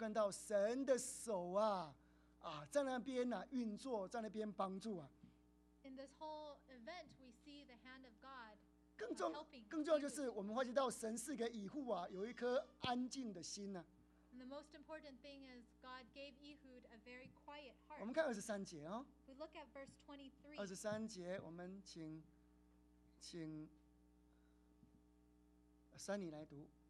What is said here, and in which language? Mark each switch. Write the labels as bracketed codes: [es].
[zh] 所以，这个整个细节当中，我们就看到神的手啊。啊，在那边呢、啊、运作，在那边帮助啊。 [en] In this whole event, we see the hand of God helping. [zh] 更重要就是，我们发觉到神是个以户啊，有一颗安静的心呢、啊。 [en] And the most important thing is God gave Ehud a very quiet heart. [zh] 我们看23节哦。 [en] We look at verse 23. [zh] 23节，我们请 Sunny 来读。